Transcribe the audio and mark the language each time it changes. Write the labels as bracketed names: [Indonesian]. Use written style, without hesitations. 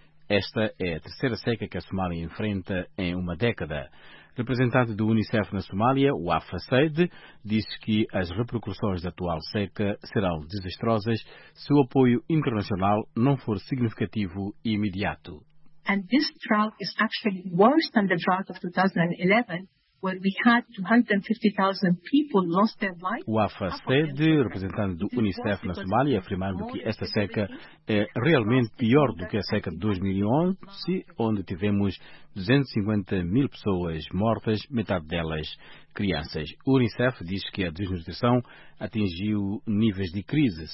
[Portuguese] Esta é a terceira seca que a Somália enfrenta em uma década. Representante do UNICEF na Somália, Wafa Said, disse que as repercussões da atual seca serão desastrosas se o apoio internacional não for significativo e imediato. [English] And this drought is actually worse than the drought of 2011, where we had 250,000 people lost their lives. [Portuguese] Wafa Said, representante do UNICEF na Somália, afirmando que esta seca é realmente pior do que a seca de 2011, onde tivemos 250 mil pessoas mortas, metade delas crianças. O UNICEF diz que a desnutrição atingiu níveis de crise.